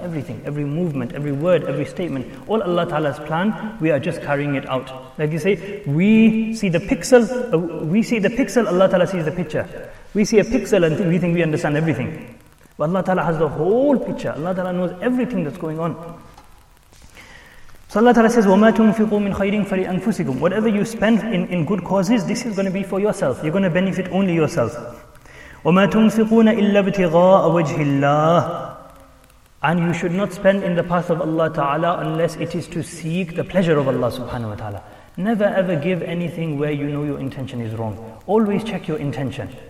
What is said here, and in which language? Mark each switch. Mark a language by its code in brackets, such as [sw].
[en] Everything, every movement, every word, every statement, all Allah ta'ala's plan, we are just carrying it out. Like you say, we see the pixel, Allah ta'ala sees the picture. We see a pixel and we think we understand everything. But Allah ta'ala has the whole picture. Allah ta'ala knows everything that's going on. So Allah ta'ala says, [ar] وَمَا تُنْفِقُوا مِنْ خَيْرٍ فَلِأَنفُسِكُمْ. [en] Whatever you spend in good causes, this is going to be for yourself. You're going to benefit only yourself. [ar] وَمَا تُنْفِقُونَ إِلَّا ابْتِغَاءَ وَجْهِ اللَّهِ. [en] And you should not spend in the path of Allah Ta'ala unless it is to seek the pleasure of Allah Subhanahu Wa Ta'ala. Never ever give anything where you know your intention is wrong. Always check your intention.